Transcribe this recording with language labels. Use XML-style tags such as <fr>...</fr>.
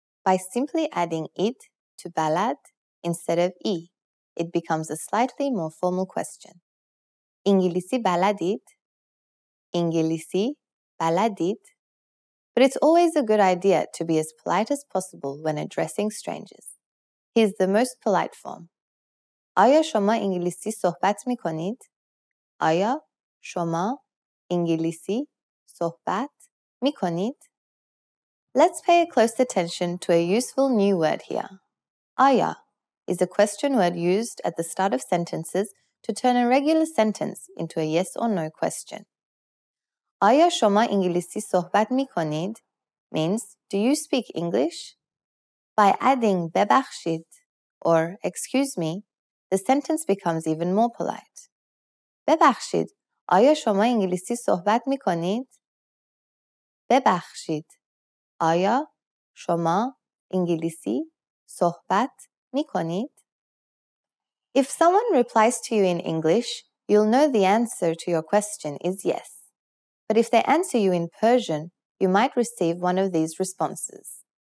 <en>By simply adding it to balad instead of I, it becomes a slightly more formal question. İngilizce baladit. İngilizce baladit. But it's always a good idea to be as polite as possible when addressing strangers. Here's the most polite form.</en> <fa>آیا شما انگلیسی صحبت می کنید؟ آیا شما انگلیسی صحبت می کنید؟</fa> <en>Let's pay a close attention to a useful new word here. آیا is a question word used at the start of sentences to turn a regular sentence into a yes or no question.</en> <fa>آیا شما انگلیسی صحبت می کنید</fa> <en>means, do you speak English? By adding ببخشید or excuse me, the sentence becomes even more polite.</en> <fa>ببخشید, آیا شما انگلیسی صحبت می کنید? ببخشید, آیا شما انگلیسی صحبت می کنید?</fa> <en>If someone replies to you in English, you'll know the answer to your question is yes. But if they answer you in Persian, you might receive one of these responses.</en>